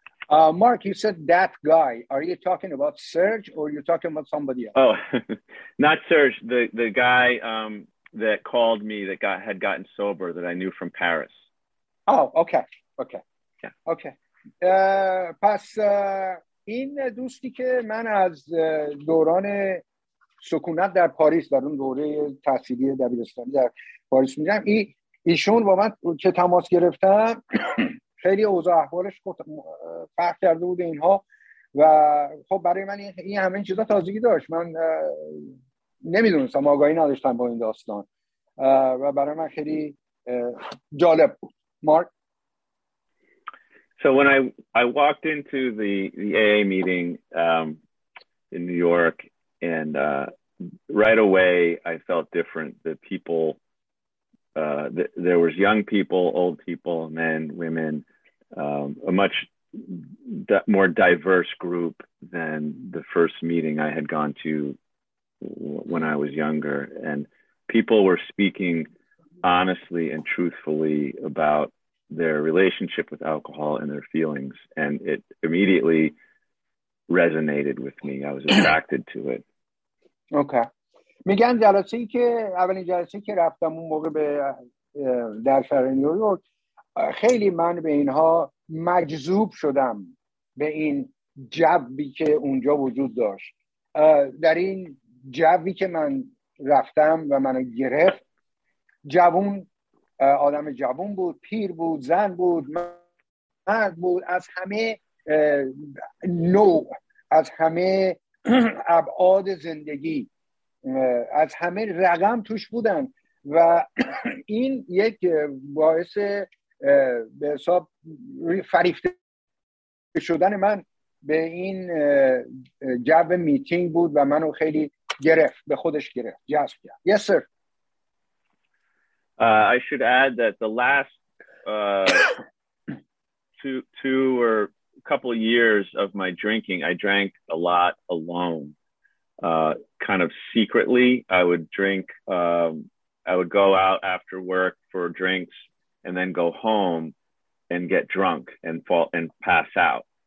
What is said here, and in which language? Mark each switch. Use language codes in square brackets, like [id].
[en] Mark, you said that guy. Are you talking about Serge or are you talking about somebody else? Oh, not Serge. The guy that called me that had gotten sober that I knew from Paris. Oh, okay. Okay. Yeah. Okay. [fa] این دوستی که من از دوران سکونت در پاریس، در اون دوره تحصیلی دبیرستانی در پاریس میگم، ایشون با من که تماس گرفتم خیلی اوضاع احوالش فرق کرده بود اینها، و خب برای من این همه چیزا تازگی داشت، من نمیدونستم، آگاهی نداشتم با این داستان و برای من خیلی جالب بود. مارک، [en] so when I walked into the AA meeting in New York, and right away I felt different. The people, there was young people, old people, men, women, a much more diverse group than the first meeting I had gone to when I was younger. And people were speaking honestly and truthfully about their relationship with alcohol and their feelings, and it immediately resonated with me. I was attracted to it. Okay. [fa] میگن جلسه‌ای که اولین جلسه‌ای که رفتم اون موقع به در شهر نیویورک، خیلی من به اینها مجذوب شدم، به این جوی که اونجا وجود داشت. در این جوی که من رفتم و منو گرفت، جوون آدم جوان بود، پیر بود، زن بود، مرد بود، از همه نوع، از همه ابعاد زندگی، از همه رقم توش بودن، و این یک باعث به حساب فریفته شدن من به این جو میتینگ بود و منو خیلی گرفت، به خودش گرفت، جذب کرد. [en] Yes, sir. I should add that the last two or couple of years of my drinking, I drank a lot alone, kind of secretly. I would drink, I would go out after work for drinks and then go home and get drunk and fall and pass out.